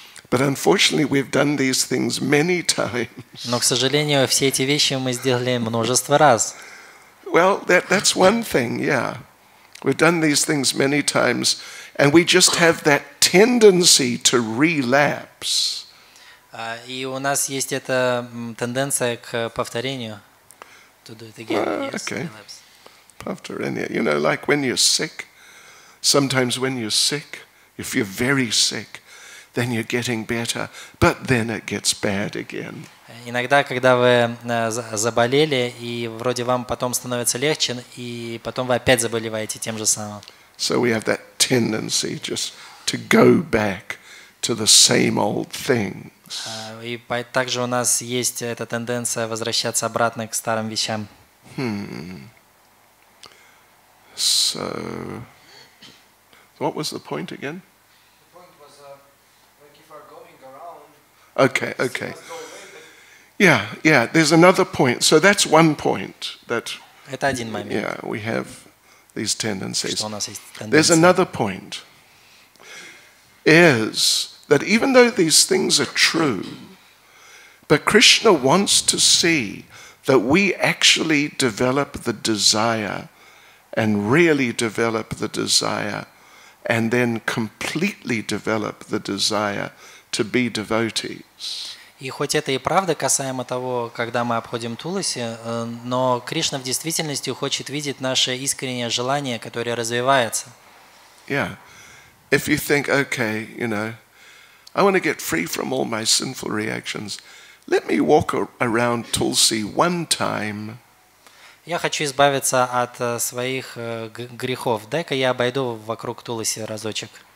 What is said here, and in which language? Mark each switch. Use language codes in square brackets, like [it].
[en] But unfortunately, we've done these things many times. [ru] Но, к сожалению, все эти вещи мы сделали множество раз. [en] Well, that's one thing, yeah. We've done these things many times, and we just have that tendency to relapse. [ru] И у нас есть эта тенденция к повторению. [en] To do it again. Okay. [ru] Повторение. [en] You know, like when you're sick, sometimes when you're sick, if you're very sick, then you're getting better, but then it gets bad again. [ru] Иногда, когда вы заболели, и вроде вам потом становится легче, и потом вы опять заболеваете тем же самым. [en] So we have that tendency just to go back to the same old things. [ru] И также у нас есть эта тенденция возвращаться обратно к старым вещам. [en] So, what was the point again? The point was, like if we're going around. Okay, okay. Yeah, there's another point. So that's one point that [ru] это один момент. [en] Yeah, we have these tendencies. [ru] Что у нас есть тенденция? [en] There's another point is that even though these things are true, but Krishna wants to see that we actually develop the desire and really develop the desire and then completely develop the desire to be devotees. [ru] И хоть это и правда касаемо того, когда мы обходим Туласи, но Кришна в действительности хочет видеть наше искреннее желание, которое развивается. [en] Yeah. If you think, okay, you know, I want to get free from all my sinful reactions, let me walk around Tulsi one time. [ru] Я хочу избавиться от своих грехов. Дай-ка я обойду вокруг Туласи разочек.